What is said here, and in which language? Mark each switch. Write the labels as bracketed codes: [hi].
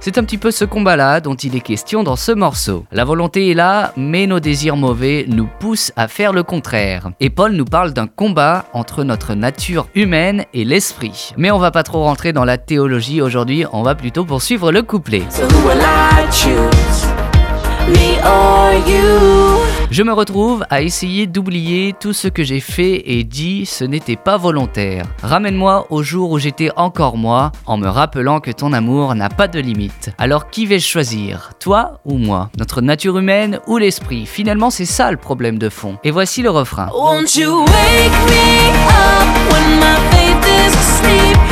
[fr] C'est un petit peu ce combat-là dont il est question dans ce morceau. La volonté est là, mais nos désirs mauvais nous poussent à faire le contraire. Et Paul nous parle d'un combat entre notre nature humaine et l'esprit. Mais on va pas trop rentrer dans la théologie aujourd'hui, on va plutôt poursuivre le couplet. [en] So who will I choose, me or you? [fr] Je me retrouve à essayer d'oublier tout ce que j'ai fait et dit, ce n'était pas volontaire. Ramène-moi au jour où j'étais encore moi, en me rappelant que ton amour n'a pas de limite. Alors qui vais-je choisir, toi ou moi? Notre nature humaine ou l'esprit? Finalement, c'est ça le problème de fond. Et voici le refrain. [en] Won't you wake me up when my faith is asleep?